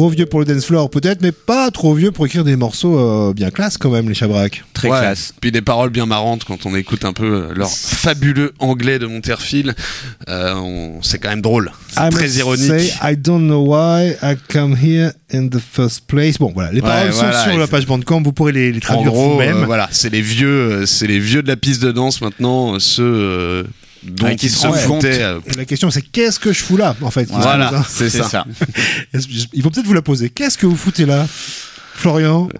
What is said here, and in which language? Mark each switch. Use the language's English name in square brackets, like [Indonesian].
[French] pour le dance floor peut-être, mais pas trop vieux pour écrire des morceaux bien classe quand même, les Chabraks. Très ouais, classe. Puis des paroles bien marrantes quand on écoute un peu leur fabuleux anglais de Monterfil. C'est quand même drôle. C'est très ironique. [English] Say, I don't know why I come here in the first place. [French] Bon, voilà, les paroles ouais, sont voilà, sur la page Bandcamp, vous pourrez les traduire vous-même. Voilà, c'est les vieux de la piste de danse maintenant, ceux... Donc ils se comptaient. La question c'est qu'est-ce que je fous là en fait. Voilà, c'est ça. Il faut peut-être vous la poser. Qu'est-ce que vous foutez là, Florian?